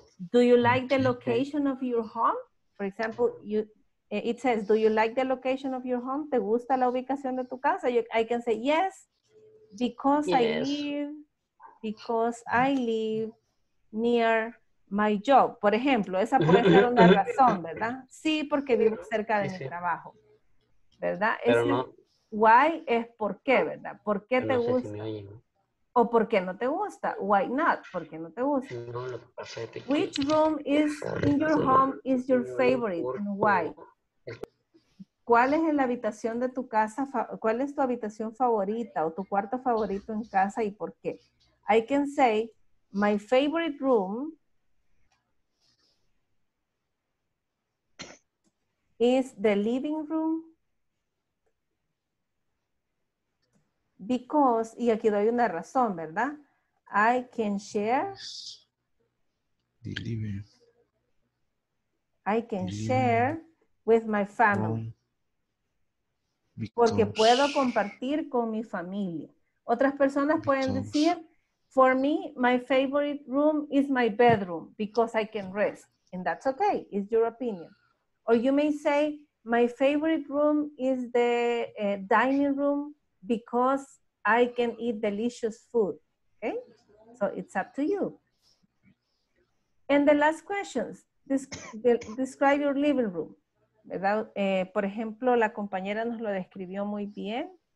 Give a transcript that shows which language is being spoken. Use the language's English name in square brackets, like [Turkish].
[English] Do you like the location of your home? For example, it says, do you like the location of your home? [Spanish] ¿Te gusta la ubicación de tu casa? [English] I can say, yes, because I live near my job. [Spanish] Por ejemplo, esa puede ser una razón, ¿verdad? Sí, porque vivo cerca de mi trabajo, ¿verdad? Why es por qué, ¿verdad? ¿Por qué te gusta? ¿O por qué no te gusta? [English] Why not? [Spanish] ¿Por qué no te gusta? [English] Which room is in your home is your favorite and why? [Spanish] ¿Cuál es la habitación de tu casa? ¿Cuál es tu habitación favorita o tu cuarto favorito en casa y por qué? [English] I can say, my favorite room is the living room. Because, [Spanish] y aquí doy una razón, ¿verdad? [English] I can share. Deliver. I can share with my family. [Spanish] Porque puedo compartir con mi familia. Otras personas pueden decir, [English] for me, my favorite room is my bedroom because I can rest. And that's okay, it's your opinion. Or you may say, my favorite room is the dining room. Because I can eat delicious food, okay? So it's up to you. And the last questions, describe your living room. [Spanish] ¿Verdad? Por ejemplo, la compañera nos lo describió muy bien.